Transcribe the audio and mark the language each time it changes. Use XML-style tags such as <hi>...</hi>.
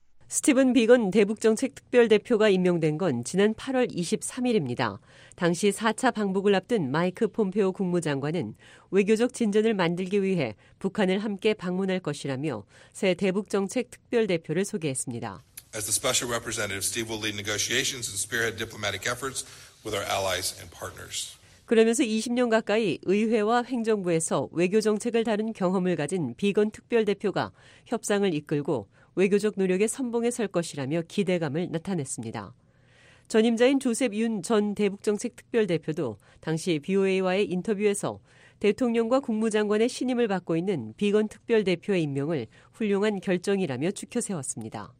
<ko>스티븐 비건 대북정책특별대표가 임명된 건 지난 8월 23일입니다. 당시 4차 방북을 앞둔 마이크 폼페오 국무장관은 외교적 진전을 만들기 위해 북한을 함께 방문할 것이라며 새 대북정책특별대표를 소개했습니다.</ko> <en>As the special representative, Steve will lead negotiations and spearhead diplomatic efforts with our allies and partners.</en> <ko>그러면서 20년 가까이 의회와 행정부에서 외교정책을 다룬 경험을 가진 비건 특별대표가 협상을 이끌고 외교적 노력의 선봉에 설 것이라며 기대감을 나타냈습니다. 전임자인 조셉 윤 전 대북정책특별대표도 당시 BOA와의 인터뷰에서 대통령과 국무장관의 신임을 받고 있는 비건 특별대표의 임명을 훌륭한 결정이라며 추켜세웠습니다.</ko>